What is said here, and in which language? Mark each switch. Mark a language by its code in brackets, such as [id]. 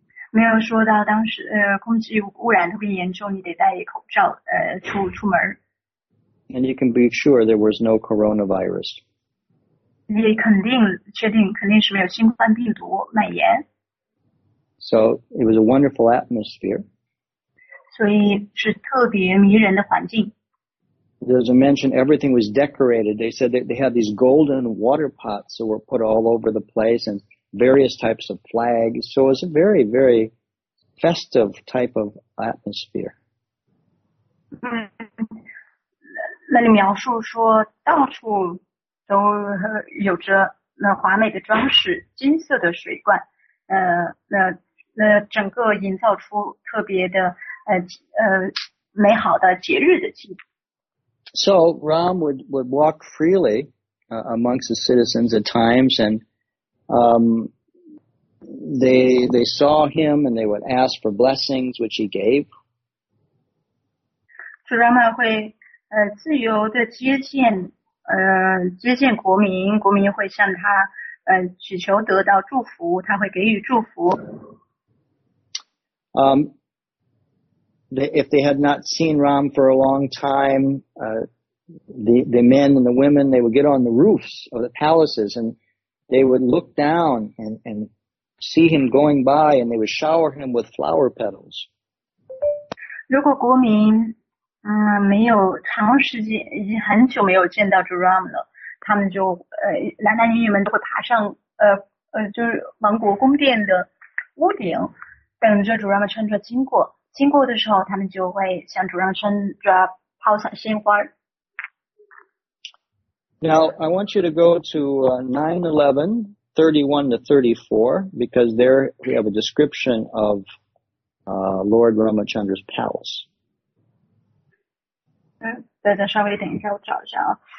[zh] 没有说到当时空气污染特别严重，你得戴口罩出门。 [en] And you can be sure there was no coronavirus. [zh] 你肯定确定肯定是没有新冠病毒蔓延。 [en] So it was a wonderful atmosphere. [zh] 所以是特别迷人的环境。 [en] There's a mention everything was decorated. They said that they had these golden water pots that were put all over the place and various types of flags. So it was a very, very festive type of atmosphere. [zh] 那里描述说到处都有着那华美的装饰，金色的水罐，那整个营造出特别的美好的节日的气氛。 [en] So Ram would walk freely amongst the citizens at times, and they saw him and they would ask for blessings, which he gave. [zh] So Ram 会自由的接见国民，国民会向他祈求得到祝福，他会给予祝福。 [en] If they had not seen Ram for a long time, the men and the women, they would get on the roofs of the palaces and they would look down and see him going by and they would shower him with flower petals. [zh] 如果国民没有长时间已经很久没有见到 Ram 了，他们就男男女女们都会爬上就是王国宫殿的屋顶，等着 Ramachandra 经过，经过的时候，他们就会向主让穿着抛洒鲜花。 [en] Now, I want you to go to 9:11, 31-34, because there we have a description of Lord Ramachandra's palace. [zh] 大家稍微等一下，我找一下啊。